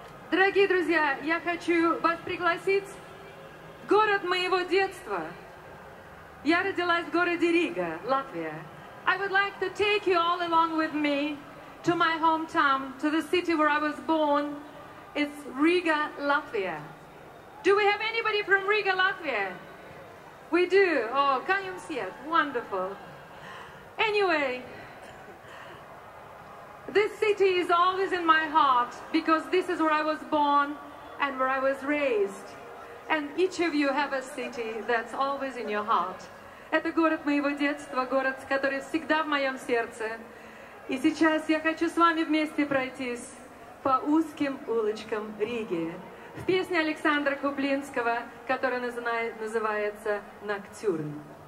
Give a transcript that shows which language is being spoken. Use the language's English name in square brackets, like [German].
[Russian] Дорогие друзья, я хочу вас пригласить в город моего детства. Я родилась в городе Рига, Латвия. [English] I would like to take you all along with me to my hometown, to the city where I was born. It's Riga, Latvia. Do we have anybody from Riga, Latvia? We do. Oh, can you see it? Wonderful. Anyway, this city is always in my heart because this is where I was born and where I was raised. And each of you have a city that's always in your heart. [Russian] Это город моего детства, город, который всегда в моем сердце. И сейчас я хочу с вами вместе пройтись по узким улочкам Риги. В песне Александра Куплинского, которая называется «Ноктюрн».